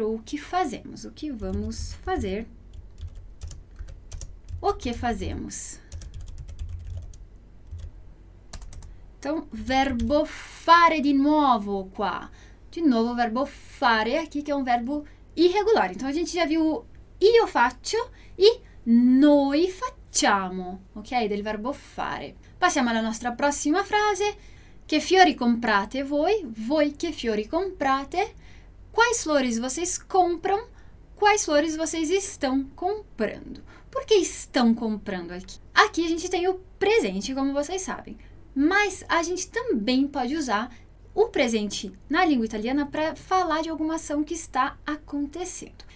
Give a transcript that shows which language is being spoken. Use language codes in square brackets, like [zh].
[pt] Ou o que fazemos? O que vamos fazer? O que fazemos? Então, [it] verbo fare di nuovo qua. [pt] De novo, verbo fare aqui, que é um verbo irregular. Então, a gente já viu [it] io faccio e noi facciamo. Facciamo, ok? Del verbo fare. Passiamo alla nostra prossima frase. Che fiori comprate voi? Voi che fiori comprate? [pt] Quais flores vocês compram? Quais flores vocês estão comprando? Por que estão comprando aqui? Aqui a gente tem o presente, como vocês sabem. Mas a gente também pode usar o presente na língua italiana para falar de alguma ação que está acontecendo.